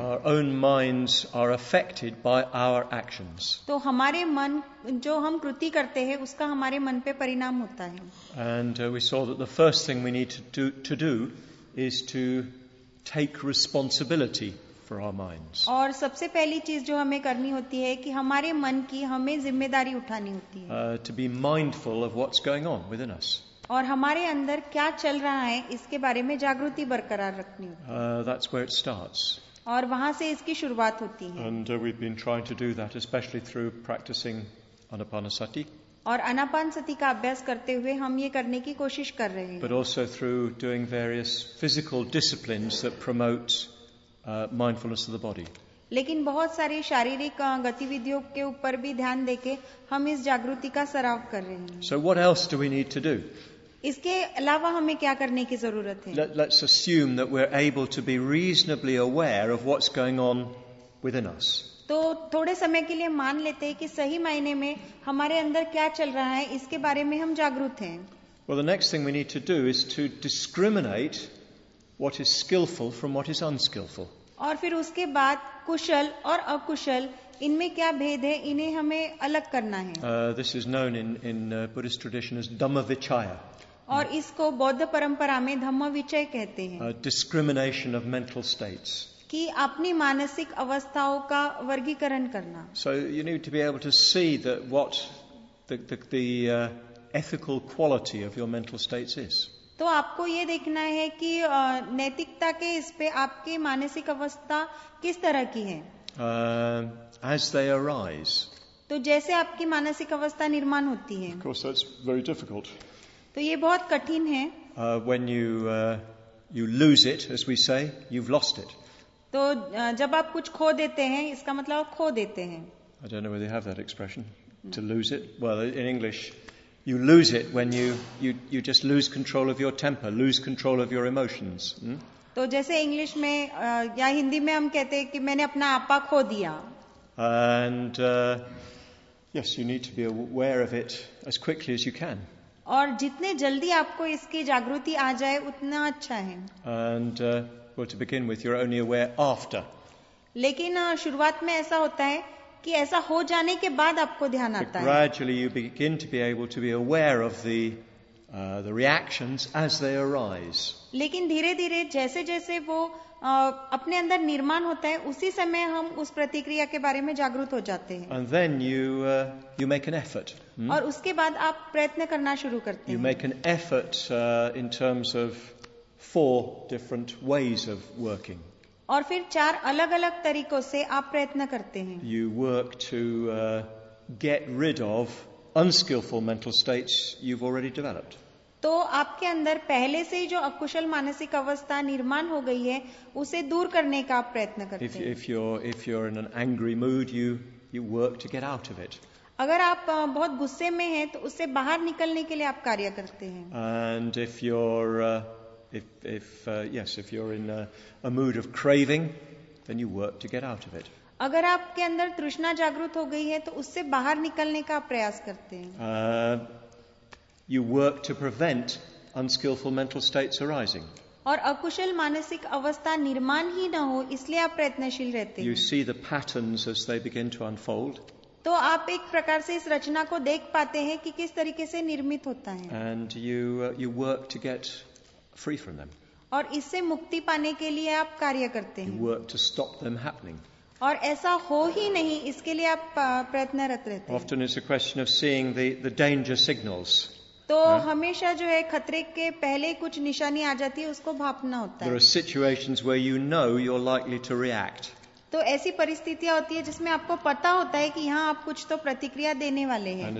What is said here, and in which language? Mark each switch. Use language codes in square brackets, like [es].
[en] Our own minds are affected by our actions. [hi] तो हमारे मन जो हम कृति करते हैं उसका हमारे मन पे परिणाम होता है. [en] And we saw that the first thing we need to do is to take responsibility for our minds. [hi] और सबसे पहली चीज जो हमें करनी होती है कि हमारे मन की हमें जिम्मेदारी उठानी होती है. [en] To be mindful of what's going on within us. [hi] और हमारे अंदर क्या चल रहा है इसके बारे में जागृति बरकरार रखनी होती है. [en] That's where it starts. [hi] और वहां से इसकी शुरुआत होती है. [en] And we've been trying to do that especially through practicing anapanasati. [hi] और अनापानसति का अभ्यास करते हुए हम ये करने की कोशिश कर रहे हैं. [en] But also through doing various physical disciplines that promote mindfulness of the body. [hi] लेकिन बहुत सारी शारीरिक गतिविधियों के ऊपर भी ध्यान देके हम इस जागृति का सराव कर रहे हैं. [en] So what else do we need to do? [hi] इसके अलावा हमें क्या करने की जरूरत है? [en] Let's assume that we're able to be reasonably aware of what's going on within us. [hi] तो थोड़े समय के लिए मान लेते हैं कि सही मायने में हमारे अंदर क्या चल रहा है इसके बारे में हम जागरूक हैं. [en] Well, the next thing we need to do is to discriminate what is skillful from what is unskillful. [hi] और फिर उसके बाद कुशल और अकुशल इनमें क्या भेद है इन्हें हमें अलग करना है. [en] This is known in Buddhist tradition as dhamma vichaya. [hi] और इसको बौद्ध परंपरा में धम्म विचय कहते हैं. [en] Discrimination of mental states. [hi] कि अपनी मानसिक अवस्थाओं का वर्गीकरण करना. [en] So you need to be able to see that what the ethical quality of your mental states is. [hi] तो आपको ये देखना है कि नैतिकता के इस पे आपकी मानसिक अवस्था किस तरह की है. [en] As they arise. [hi] तो जैसे आपकी मानसिक अवस्था निर्माण होती है. [en] Of course, that's very difficult. [hi] तो ये बहुत कठिन है. [en] When you lose it, as we say, you've lost it. [hi] तो जब आप कुछ खो देते हैं इसका मतलब खो देते हैं. [en] I don't know whether you have that expression. No. To lose it. Well, in English, you lose it when you just lose control of your temper, lose control of your emotions. [hi] तो जैसे English में या हिंदी में हम कहते हैं कि मैंने अपना आपा खो दिया. [en] And yes, you need to be aware of it as quickly as you can. [hi] और जितने जल्दी आपको इसकी जागृति आ जाए उतना अच्छा है. [en] And well, to begin with, you're only aware after. [hi] लेकिन शुरुआत में ऐसा होता है कि ऐसा हो जाने के बाद आपको ध्यान आता है. [en] Gradually you begin to be able to be aware of the reactions as they arise. [hi] लेकिन धीरे-धीरे जैसे-जैसे वो अपने अंदर निर्माण होता है उसी समय हम उस प्रतिक्रिया के बारे में जागरूक हो जाते हैं. [en] And then you make an effort. [hi] और उसके बाद आप प्रयत्न करना शुरू करते हैं. [en] You make an effort in terms of four different ways of working. [hi] और फिर चार अलग-अलग तरीकों से आप प्रयत्न करते हैं. [en] You work to get rid of unskillful mental states you've already developed. [hi] तो आपके अंदर पहले से ही जो अकुशल मानसिक अवस्था निर्माण हो गई है उसे दूर करने का आप प्रयत्न करते हैं. [en] If you're in an angry mood, you work to get out of it. [hi] अगर आप बहुत गुस्से में हैं तो उससे बाहर निकलने के लिए आप कार्य करते हैं. [en] And if you're in a mood of craving, then you work to get out of it. [hi] अगर आपके अंदर तृष्णा जागृत हो गई है तो उससे बाहर निकलने का प्रयास करते हैं. [en] You work to prevent unskillful mental states arising. [hi] और अकुशल मानसिक अवस्था निर्माण ही न हो इसलिए आप प्रयत्नशील रहते हैं. [en] You see the patterns as they begin to unfold. [hi] तो आप एक प्रकार से इस रचना को देख पाते हैं कि किस तरीके से निर्मित होता है. [en] And you work to get free from them. [hi] और इससे मुक्ति पाने के लिए आप कार्य करते हैं. [en] You work to stop them happening. [hi] और ऐसा हो ही नहीं इसके लिए आप प्रयत्नरत रहते हैं. [en] Often it's a question of seeing the danger signals. [hi] तो हमेशा जो है खतरे के पहले कुछ निशानी आ जाती है उसको भापना होता है. [en] There are situations where you know you're likely to react. [hi] तो ऐसी परिस्थितियां होती है जिसमें आपको पता होता है कि यहाँ आप कुछ तो प्रतिक्रिया देने वाले हैं.